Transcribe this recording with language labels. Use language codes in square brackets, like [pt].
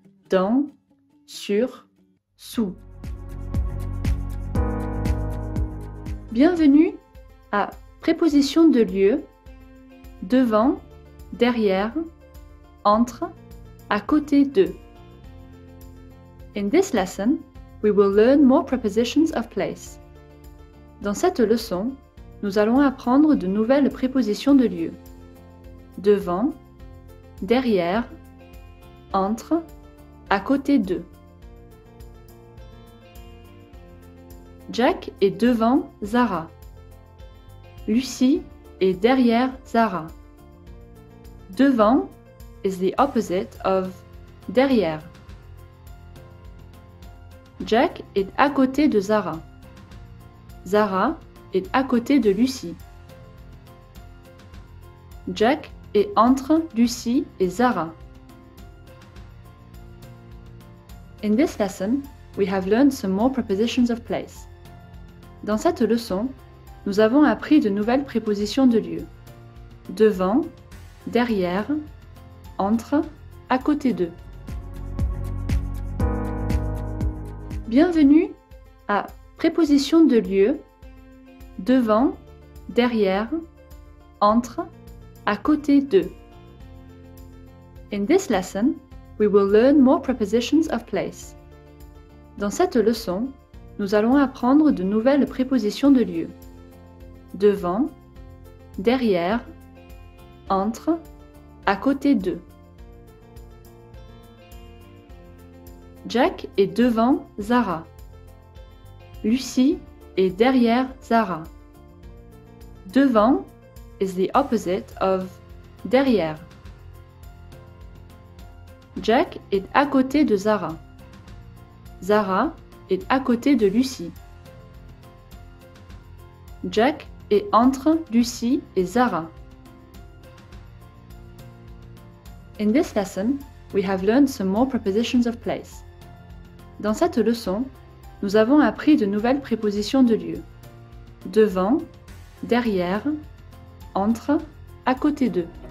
[fr] Dans, sur, sous. Bienvenue à Préposition de lieu, devant, derrière, entre, à côté de. [en] In this lesson, we will learn more prepositions of place. [fr] Dans cette leçon, nous allons apprendre de nouvelles prépositions de lieu. Devant, derrière, entre, à côté de. Jack est devant Zara. Lucie est derrière Zara. [en] Devant is the opposite of derrière. [fr] Jack est à côté de Zara. Zara est à côté de Lucie. Jack est entre Lucie et Zara. [en] In this lesson, we have learned some more prepositions of place. [fr] Dans cette leçon, nous avons appris de nouvelles prépositions de lieu. Devant, derrière, entre, à côté de. Bienvenue à Prépositions de lieu. Devant, derrière, entre, à côté de. [en] In this lesson, we will learn more prepositions of place. [fr] Dans cette leçon, nous allons apprendre de nouvelles prépositions de lieu. Devant, derrière, entre, à côté de. Jack est devant Zara. Lucie est derrière Zara. [en] Devant is the opposite of derrière. [fr] Jack est à côté de Zara. Zara est à côté de Lucie. Jack est entre Lucie et Zara. [en] In this lesson, we have learned some more prepositions of place. [fr] Dans cette leçon, nous avons appris de nouvelles prépositions de lieu. Devant, derrière, entre, à côté d'eux.